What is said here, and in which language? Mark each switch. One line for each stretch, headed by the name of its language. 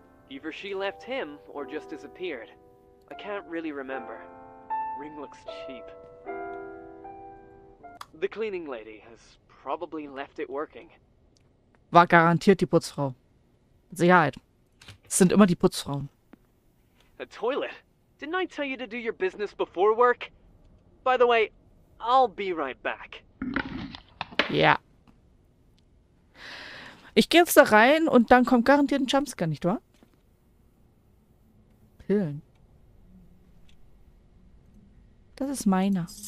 English: Either she left him or just disappeared. I can't really remember. Ring looks cheap. The cleaning lady has probably left it working.
German: War garantiert die Putzfrau. Sicherheit. Es sind immer die Putzfrauen.
English: A toilet? Didn't I tell you to do your business before work? By the way, I'll be right back. Ja.
German: Ich gehe jetzt da rein und dann kommt garantiert ein Jumpscare, nicht wahr? Pillen. Das ist meiner.